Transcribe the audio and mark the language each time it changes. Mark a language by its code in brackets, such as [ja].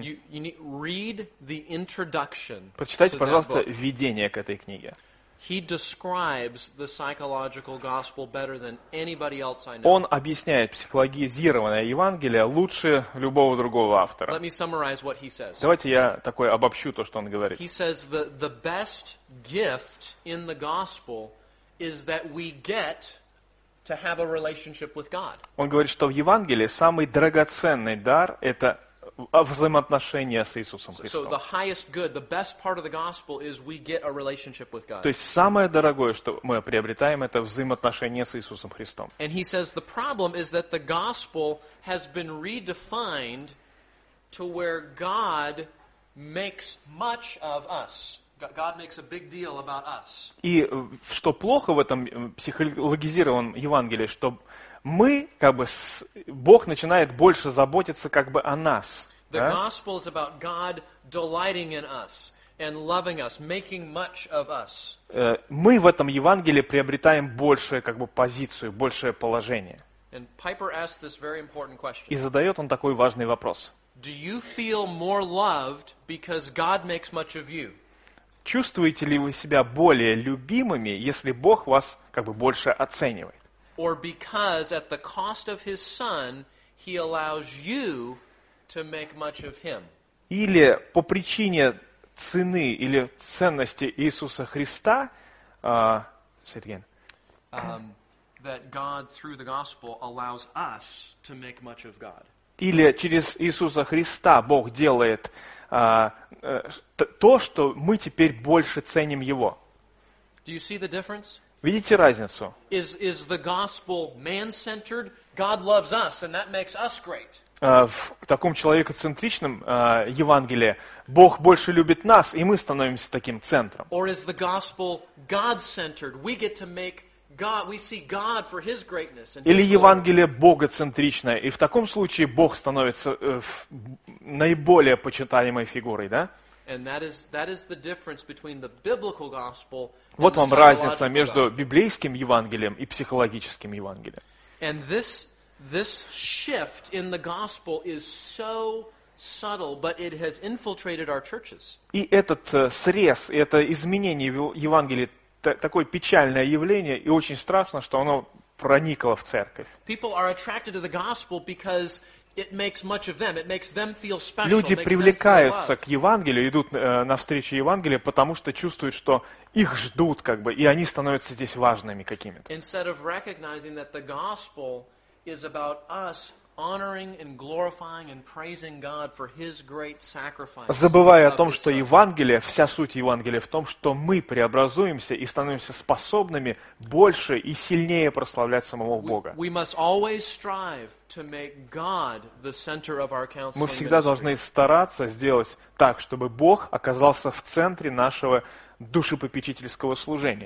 [en] You need read the introduction. [ru] Прочитайте, пожалуйста, введение к этой книге. [en] He describes the psychological gospel better than anybody else I know. [ru] Он объясняет психологизированное Евангелие лучше любого другого автора. [en] Let me summarize what he says. [ru] Давайте я такой обобщу то, что он говорит. [en] He says the best gift in the gospel is that we get to have a relationship with God. [ru] Он говорит, что в Евангелии самый драгоценный дар – это взаимоотношения с Иисусом Христом. [en] So the highest good, the best part of the gospel is we get a relationship with God. [ru] То есть самое дорогое, что мы приобретаем, это взаимоотношения с Иисусом Христом. [en] And he says the problem is that the gospel has been redefined to where God makes much of us. God makes a big deal about us. [ru] И что плохо в этом психологизированном Евангелии, что мы, как бы, Бог начинает больше заботиться, как бы, о нас. [en] The gospel is about God delighting in us and loving us, making much of us. [ru] Мы в этом Евангелии приобретаем большую, как бы, позицию, большее положение. [en] And Piper asked this very important question. [ru] И задает он такой важный вопрос. [en] Do you feel more loved because God makes much of you? [ru] Чувствуете ли вы себя более любимыми, если Бог вас, как бы, больше оценивает? [en] Or because at the cost of his son, he allows you to make much of him. [ru] Или по причине цены или ценности Иисуса Христа, [en] say it again. That God through the gospel allows us to make much of God. [ru] Или через Иисуса Христа Бог делает то, что мы теперь больше ценим Его. [en] Do you see the difference? [ru] Видите разницу? [en] Is the gospel man-centered? God loves us, and that makes us great. [ru] В таком человекоцентричном Евангелии Бог больше любит нас, и мы становимся таким центром. [en] Or is the gospel God-centered? We get to make God, we see God for His greatness. [ru] Или Евангелие богоцентричное, и в таком случае Бог становится наиболее почитаемой фигурой, да? [en] And that is the difference between the biblical gospel. [ru] Вот вам разница между библейским Евангелием и психологическим Евангелием. [en] And this shift in the gospel is so subtle, but it has infiltrated our churches. [ru] И этот срез, это изменение Евангелия, такое печальное явление и очень страшно, что оно проникло в церковь. [en] People are attracted to the gospel because it makes much of them. It makes them feel special. [ru] Люди привлекаются к Евангелию, идут навстречу Евангелию, потому что чувствуют, что их ждут, как бы, и они становятся здесь важными какими-то. [en] Instead of recognizing that the gospel is about us honoring and glorifying and praising God for His great sacrifice. [ru] Забывая о том, что Евангелие, вся суть Евангелия в том, что мы преобразуемся и становимся способными больше и сильнее прославлять самого Бога. [en] We must always strive to make God the center of our counseling ministry. [ru] Мы всегда должны стараться сделать так, чтобы Бог оказался в центре нашего душепопечительского служения.